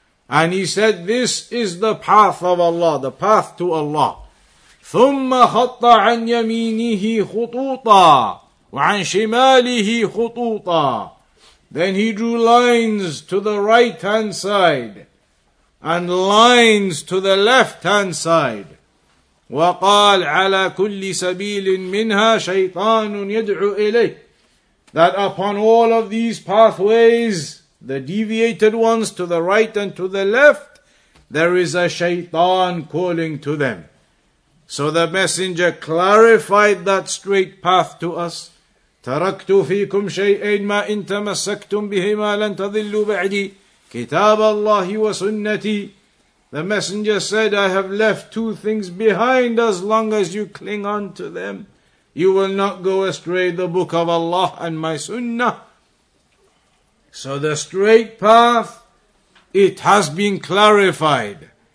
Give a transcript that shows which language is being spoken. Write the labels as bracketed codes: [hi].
[en] And he said, this is the path of Allah, the path to Allah. [ar] ثُمَّ خَطَّ عَنْ يَمِينِهِ خُطُوطًا وَعَنْ شِمَالِهِ خُطُوطًا. [en] Then he drew lines to the right hand side and lines to the left hand side. [ar] وقال على كل سبيل منها شيطان يدعو إليه. [en] That upon all of these pathways, the deviated ones to the right and to the left, there is a shaitan calling to them. So the messenger clarified that straight path to us. [ar] تركت فيكم شيئين ما إن تمسكتم بهما لن تضلوا بعدي كتاب الله وسنتي. [en] The messenger said, I have left two things behind, as long as you cling on to them, you will not go astray, the book of Allah and my sunnah. So the straight path, it has been clarified.